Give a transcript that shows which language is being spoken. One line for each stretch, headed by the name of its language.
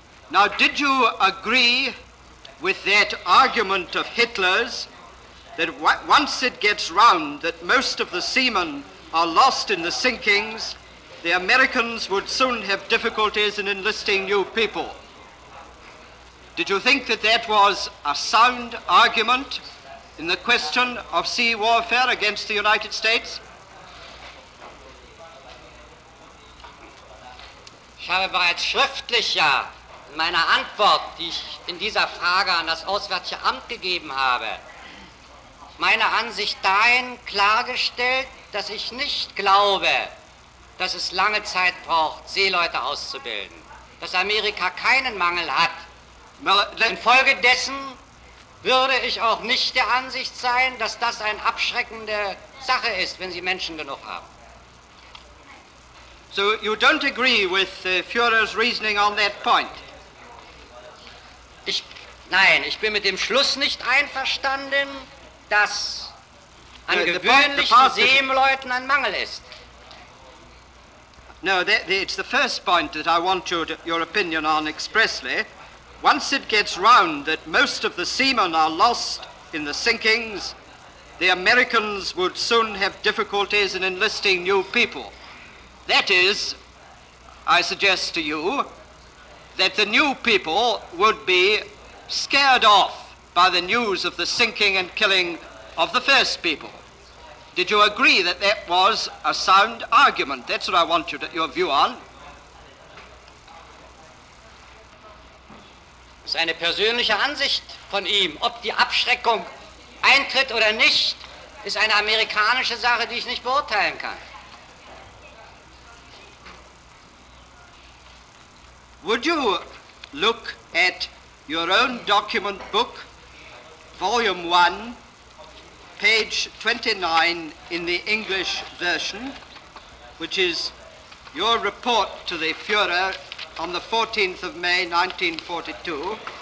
English: Now, did you agree with that argument of Hitler's, that once it gets round that most of the seamen are lost in the sinkings, the Americans would soon have difficulties in enlisting new people? Did you think that that was a sound argument in the question of sea warfare against the United States?
German: Ich habe bereits schriftlich ja in meiner Antwort, die ich in dieser Frage an das Auswärtige Amt gegeben habe, meine Ansicht dahin klargestellt, dass ich nicht glaube, dass es lange Zeit braucht, Seeleute auszubilden, dass Amerika keinen Mangel hat. Infolgedessen würde ich auch nicht der Ansicht sein, dass das eine abschreckende Sache ist, wenn sie Menschen genug haben.
English: So you don't agree with Führer's reasoning on that point?
German: Ich bin mit dem Schluss nicht einverstanden, dass an gewöhnlichen Seeleuten ein Mangel ist.
English: No, it's the first point that I want your opinion on expressly. Once it gets round that most of the seamen are lost in the sinkings, the Americans would soon have difficulties in enlisting new people. That is, I suggest to you, that the new people would be scared off by the news of the sinking and killing of the first people. Did you agree that that was a sound argument? That's what I want your view on.
German: Es ist eine persönliche Ansicht von ihm, ob die Abschreckung eintritt oder nicht, ist eine amerikanische Sache, die ich nicht beurteilen kann.
English: Would you look at your own document book, volume 1, page 29 in the English version, which is your report to the Führer on the 14th of May, 1942.